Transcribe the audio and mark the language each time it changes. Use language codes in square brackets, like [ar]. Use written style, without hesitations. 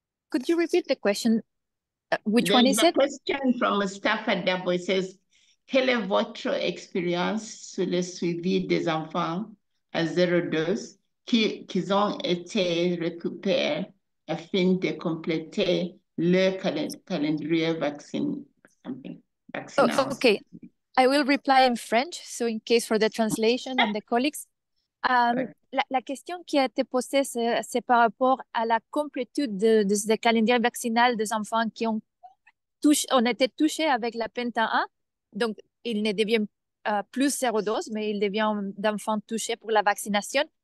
[en] Could you repeat the question? Which one is it? Question from Mustafa Dabo. It says, [fr] Quelle est votre expérience sur le suivi des enfants à zéro dose qui ont été récupérés afin de compléter le calendrier vaccinal? [en] Oh, okay. I will reply in French, so in case for the translation and the colleagues. [fr] La question qui a été posée, c'est par rapport à la complétude de calendrier vaccinal des enfants qui ont été touchés avec la penta 1. Donc, ils ne deviennent plus zéro dose, mais ils deviennent d'enfants touchés pour la vaccination.